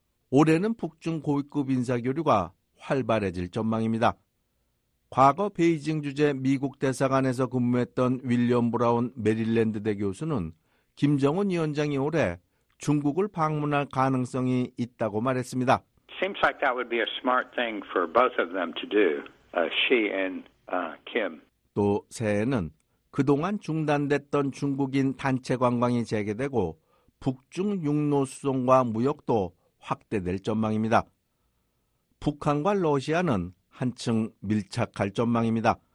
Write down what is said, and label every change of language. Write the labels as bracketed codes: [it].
[ko] 올해는 북중 고위급 인사 교류가 활발해질 전망입니다. 과거 베이징 주재 미국 대사관에서 근무했던 윌리엄 브라운 메릴랜드 대 교수는 김정은 위원장이 올해 중국을 방문할 가능성이 있다고 말했습니다. [en] Seems like that would be a smart thing for both of them to do. She and Kim. [ko] 또 새해는 그동안 중단됐던 중국인 단체 관광이 재개되고 북중 육로 수송과 무역도 확대될 전망입니다. 북한과 러시아는 한층 밀착할 전망입니다.